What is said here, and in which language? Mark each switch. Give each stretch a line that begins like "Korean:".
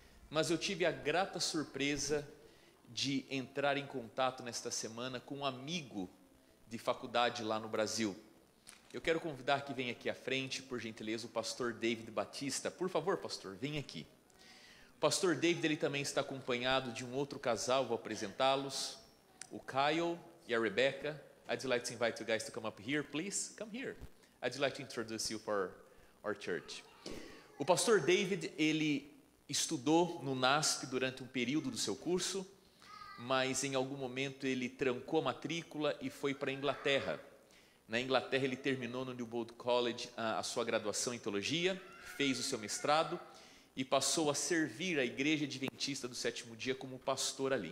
Portuguese: Mas eu tive a grata surpresa de entrar em contato nesta semana com um amigo de faculdade lá no Brasil. Eu quero convidar que venha aqui à frente, por gentileza, o pastor David Batista. Por favor, pastor, venha aqui. O pastor David, ele também está acompanhado de um outro casal, vou apresentá-los, o Kyle e a Rebecca.
English: I'd like to invite you guys to come up here, please. Come here. I'd like to introduce you for our church.
Portuguese: O pastor David, ele estudou no NASP durante um período do seu curso, mas em algum momento ele trancou a matrícula e foi para a Inglaterra. Na Inglaterra, ele terminou no Newbold College a sua graduação em teologia, fez o seu mestrado e passou a servir a Igreja Adventista do Sétimo Dia como pastor ali.